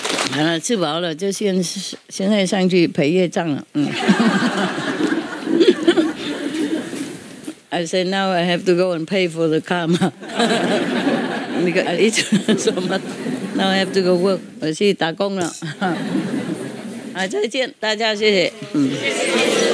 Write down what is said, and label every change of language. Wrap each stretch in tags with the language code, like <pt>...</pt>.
<zh>好了，吃饱了，就现在上去陪业障了。</zh> <en>I say now I have to go and pay for the karma. Because I eat so much. Now I have to go work.</en> <zh>我去打工了。再见，大家谢谢。</zh>